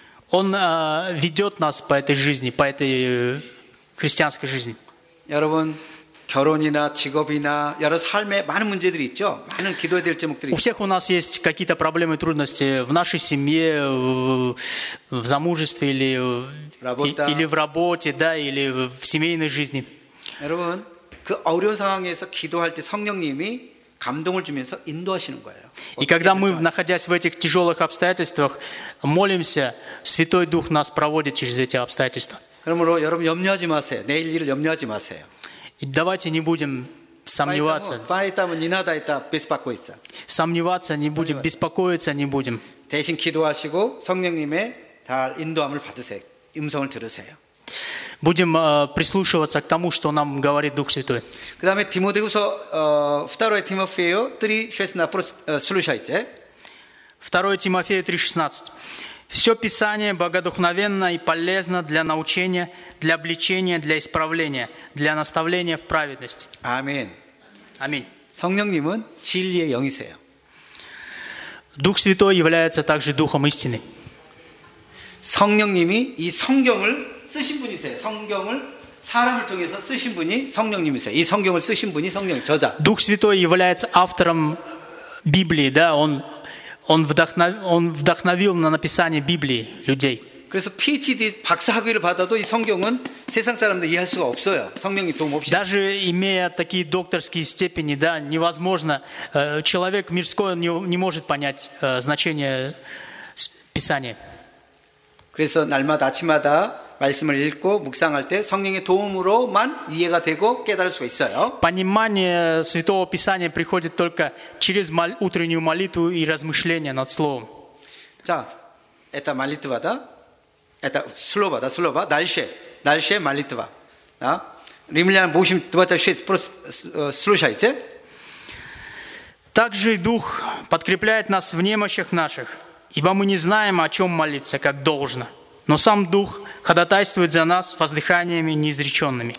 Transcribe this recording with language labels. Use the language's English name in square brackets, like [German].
[Russian] Он ведет нас по этой жизни, по этой христианской жизни. [Korean] 여러분 결혼이나 직업이나 여러 삶에 많은 문제들이 있죠. 많은 기도해야 될 제목들이. [Russian] У всех у нас есть какие-то проблемы, трудности в нашей семье, в замужестве или или в работе, да, или в семейной жизни. [Korean] 여러분, 그 어려운 상황에서 기도할 때 성령님이 감동을 주면서 인도하시는 거예요. [Russian] И когда мы, находясь в этих тяжелых обстоятельствах, молимся, Святой Дух нас проводит через эти обстоятельства. [Korean] 그러므로 여러분 염려하지 마세요. 내일 일을 염려하지 마세요. [Russian] Давайте не будем сомневаться. Поэтому не надо это беспокоиться. Сомневаться не будем, беспокоиться не будем. [Korean] 대신 기도하시고 성령님의 잘 인도함을 받으세요. 음성을 들으세요. [Russian] Будем прислушиваться к тому, что нам говорит Дух Святой. [Korean] 그다음에 디모데후서 [Russian] 2 Тимофею 3:16 слушайте. 2 Тимофею 3:16. Все писание богодухновенно и полезно для научения, для обличения, для исправления, для наставления в праведности. Аминь. Аминь. [Korean] 성령님은 진리의 영이세요. [Russian] Дух Святой является также духом истины. [Korean] 성령님이 이 성경을 쓰신 분이세요. 성경을 사람을 통해서 쓰신 분이 성령님이세요. 이 성경을 쓰신 분이 성령 저자. [Russian] Дух Святой является автором Библии, да? Он вдохновил на написание Библии людей. [Korean] 그래서 PhD 박사 학위를 받아도 이 성경은 세상 사람들 이해할 수가 없어요. 성령님 도움 없이. [Russian] Даже имея такие докторские степени, да, невозможно человек мирской не может понять значение Писания. [Korean] 그래서 날마다 아침마다 말씀을 읽고 묵상할 때 성령의 도움으로만 이해가 되고 깨달을 수가 있어요. [Russian] Понимание Святого Писания приходит только через утреннюю молитву и размышления над словом. 자, это молитва다. Это слово다, слово. 날씨에 молитва. 아, 림리안 모심 두 번째 쉐스 프로 слушайте. Также Дух подкрепляет нас в немощах наших, ибо мы не знаем, о чем молиться, как должно. Но сам Дух ходатайствует за нас воздыханиями неизреченными.